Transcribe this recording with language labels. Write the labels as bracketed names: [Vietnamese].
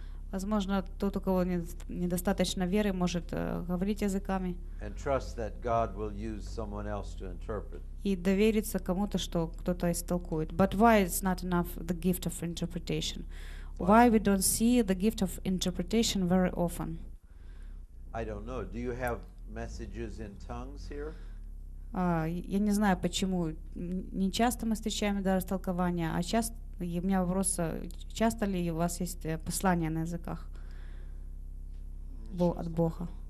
[Russian] Возможно, тот, у кого недостаточно веры, может говорить языками. [English] And trust that God will use someone else to interpret. [Russian] И довериться кому-то, что кто-то истолкует. [English] But why it's not enough the gift of interpretation? Why we don't see the gift of interpretation very often? I don't know. Do you have messages in tongues here? [Russian] Я не знаю, почему не часто мы встречаем дар истолкования, а часто. И у меня вопрос, часто ли у вас есть послания на языках от Бога?